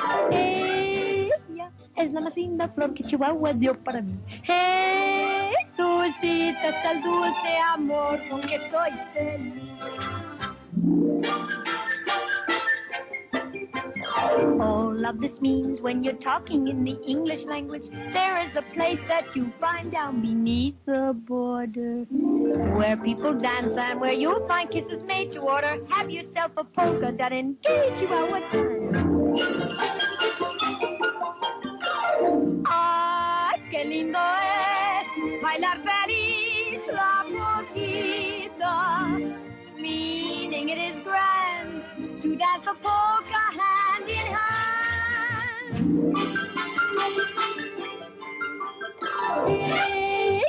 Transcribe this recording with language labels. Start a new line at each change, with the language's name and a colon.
Spanish: Ella es la más linda flor que Chihuahua dio para mí. Jesucita es el dulce amor con que soy feliz.
English: All of this means when you're talking in the English language, there is a place that you find down beneath the border, where people dance and where you'll find kisses made to order. Have yourself a polka that engages you all with time.
Spanish: Ay, qué lindo es bailar feliz la polquita.
English: Meaning it is grand to dance a polka hand in hand.